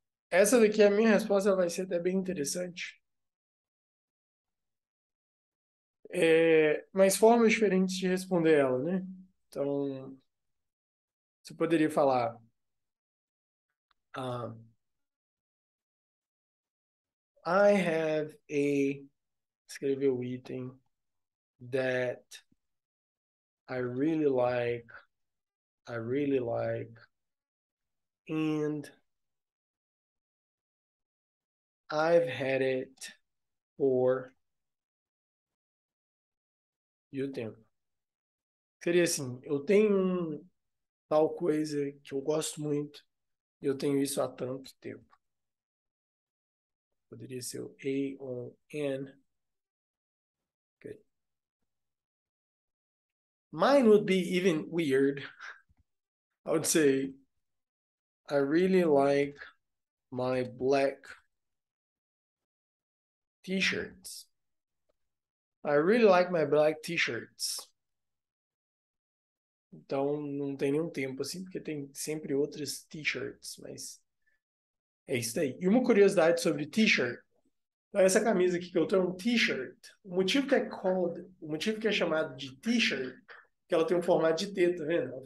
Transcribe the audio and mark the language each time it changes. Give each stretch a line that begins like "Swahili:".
Portuguese: Essa daqui, a minha resposta vai ser até bem interessante. Mas formas diferentes de responder ela, né? Então, você poderia falar,
English: I have a,
Portuguese: escreveu o item,
English: that I really like, and I've had it for, you think?
Portuguese: Seria assim, eu tenho tal coisa que eu gosto muito e eu tenho isso há tanto tempo. Poderia ser o A ou N.
English: Mine would be even weird. I would say, I really like my black t-shirts. I really like my black t-shirts.
Portuguese: Então, não tem nenhum tempo assim, porque tem sempre outras t-shirts, mas é isso aí. E uma curiosidade sobre t-shirt. Então, essa camisa aqui que eu tenho é um t-shirt. O motivo que é called, o motivo que é chamado de t-shirt, que ela tem um formato de T, tá vendo?